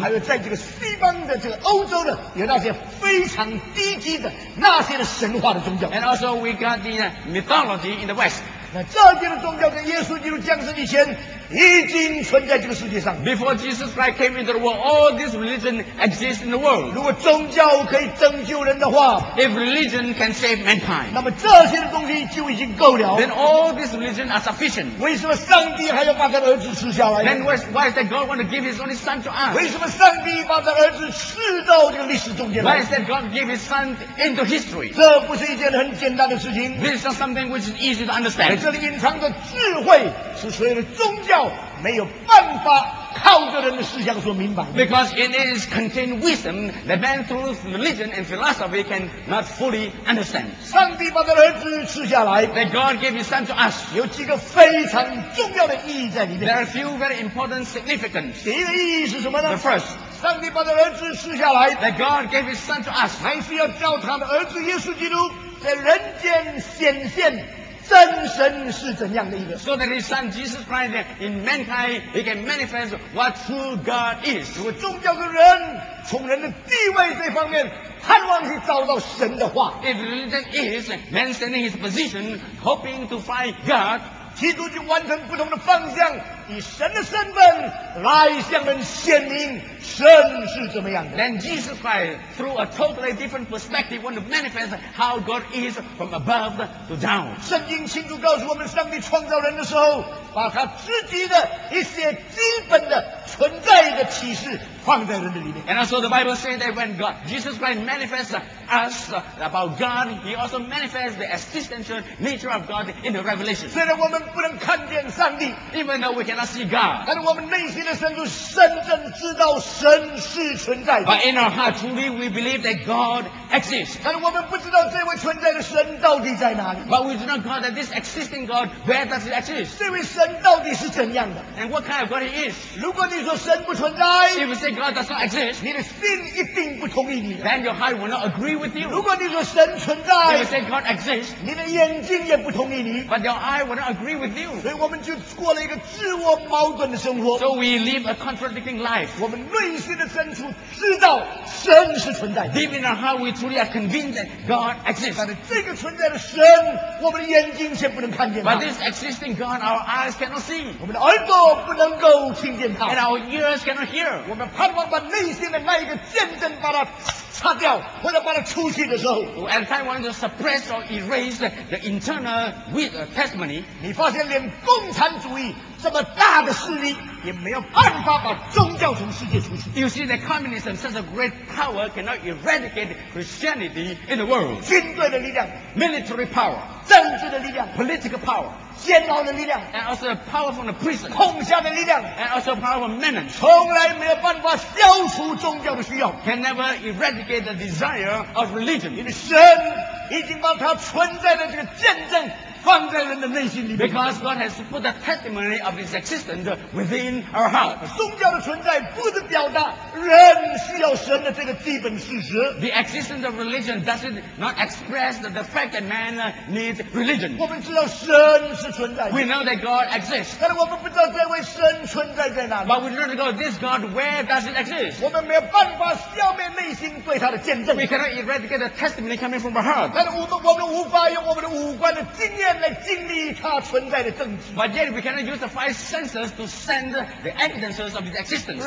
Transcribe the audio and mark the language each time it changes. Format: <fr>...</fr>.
<zh>还有在这个西方的这个欧洲的有那些非常低级的那些的神话的宗教。</zh> <en>And also we got the mythology in the West.</en> <zh>那这些的宗教在耶稣基督降生以前已经存在这个世界上。</zh> <en>Before Jesus Christ came into the world, all this religion exists in the world.</en> <zh>如果宗教可以拯救人的话，</zh> <en>if religion can save mankind,</en> <zh>那么这些的东西就已经够了。</zh> <en>Then all this religion are sufficient.</en> <zh>为什么上帝还要把他的儿子赐下来？</zh> <en>Then why is that God want to give his only son to us?</en> <zh>为什么上帝把他的儿子赐到这个历史中间来？</zh> <en>Why is that God give his son into history?</en> <zh>这不是一件很简单的事情。</zh> <en>This is something which is easy to understand.</en> <zh>这里隐藏的智慧是所有的宗教没有办法靠着人的思想所明白的。</zh> <en>Because in it is contained wisdom that man through religion and philosophy can not fully understand.</en> <zh>上帝把他的儿子赐下来。</zh> <en>That God gave his son to us.</en> <zh>有几个非常重要的意义在里面。</zh> <en>There are a few very important significance.</en> <zh>第一个意义是什么呢？</zh> <en>The first.</en> <zh>上帝把他儿子赐下来</zh> <en>That God gave his son to us</en> <zh>还是要叫他的儿子耶稣基督在人间显现真神是怎样的一个</zh> <en>So that his son Jesus Christ in mankind he can manifest what true God is</en> <zh>如果宗教的人从人的地位这方面盼望去找到神的话</zh> <en>If religion is man standing his position hoping to find God</en> <zh>基督就完成不同的方向以神的身份来向人显明神是怎么样的</zh> <en>Then Jesus Christ through a totally different perspective want to manifest how God is from above to down</en> <zh>圣经清楚告诉我们上帝创造人的时候把他自己的一些基本的存在的启示放在人的里面</zh> <en>And also the Bible says that when God Jesus Christ manifests us about God he also manifests the existential nature of God in the revelation</en> <zh>虽然我们不能看见上帝</zh> <en>Even though we cannot see God</en> <zh>但是我们内心的深处深深知道神是存在的</zh> <en>But in our heart truly we believe that God exists</en> <zh>但是我们不知道这位存在的神到底在哪里</zh> <en>But we do not know that this existing God where does it exist</en> <zh>这位神到底是怎样的</zh> <en>And what kind of God he is</en> <zh>如果你说神不存在</zh> <en>If you say God does not exist</en> <zh>你的心一定不同意你的</zh> <en>Then your heart will not agree with you</en> <zh>如果你说神存在</zh> <en>If you say God exists</en> <zh>你的眼睛也不同意你</zh> <en>But your eye will not agree with you</en> <zh>所以我们就过了一个自我矛盾的生活</zh> <en>So we live a contradicting life</en> <zh>我们内心的深处知道神是存在的</zh> <en>Deep in our heart we truly are convinced that God exists</en> <zh>但是这个存在的神我们的眼睛却不能看见</zh> <en>But this existing God our eyes cannot see</en> <zh>我们的耳朵不能够听见他</zh> <en>And our ears cannot hear</en> <zh>我们盼望把内心的那一个见证把它擦掉或者把它出去的时候</zh> <en>At time when you suppress or erase the internal with testimony</en> <zh>你发现连共产主义这么大的势力也没有办法把宗教从世界出去</zh> <en>You see that communism such a great power cannot eradicate Christianity in the world</en> <zh>军队的力量</zh> <en>Military power</en> <zh>政治的力量</zh> <en>Political power</en> <zh>监牢的力量</zh> <en>and also the power from the prison</en> <zh>控下的力量</zh> <en>and also the power from men</en> <zh>从来没有办法消除宗教的需要</zh> <en>can never eradicate the desire of religion</en> <zh>因为神已经把它存在的这个见证放在人的内心里面</zh> <en>because God has put the testimony of his existence within our heart</en> <zh>宗教的存在不是表达人需要神的这个基本事实</zh> <en>the existence of religion does it not express the fact that man needs religion</en> <zh>我们知道神是存在的</zh> <en>we know that God exists</en> <zh>但是我们不知道这位神存在在哪里</zh> <en>but we do not know this God where does it exist</en> <zh>我们没有办法消灭内心对他的见证</zh> <en>we cannot eradicate the testimony coming from our heart</en> <zh>但是我们无法用我们的五官的经验来经历它存在的证据</zh> <en>But yet we cannot use the five senses to send the evidences of its existence</en>